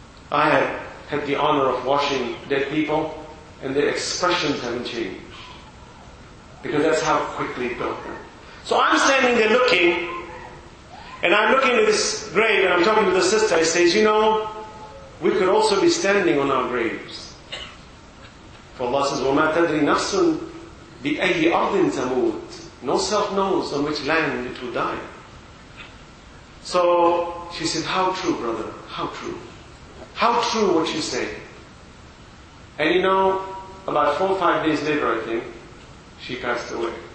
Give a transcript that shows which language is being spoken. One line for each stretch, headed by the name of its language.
English: I have had the honor of washing dead people, and their expressions haven't changed. Because that's how quickly it got them. So I'm standing there looking, and I'm looking at this grave, and I'm talking to the sister. I says, you know, we could also be standing on our graves. For Allah says,
Arabic: وَمَا تَدْرِي نَفْسٌ بِأَيِّ أَرْضٍ تَمُوتٍ.
English: No self knows on which land it will die. So she said, how true, brother, how true. How true what you say. And you know, about 4 or 5 days later, I think, she passed away.